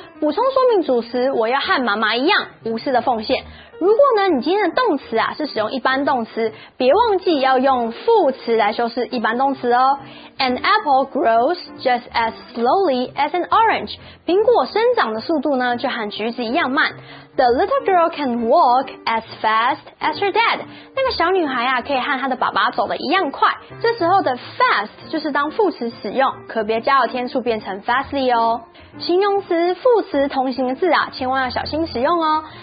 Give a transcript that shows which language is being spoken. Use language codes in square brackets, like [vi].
[zh] 补充说明主词，我要和妈妈一样无私的奉献。如果呢，你今天的动词啊是使用一般动词，别忘记要用副词来修饰一般动词哦。 [en] An apple grows just as slowly as an orange. [zh] 苹果生长的速度呢，就和橘子一样慢。 [en] The little girl can walk as fast as her dad. [zh] 那个小女孩啊，可以和她的爸爸走得一样快。这时候的 fast 就是当副词使用，可别加了添醋变成 fastly 哦。形容词、副词同形的字啊，千万要小心使用哦。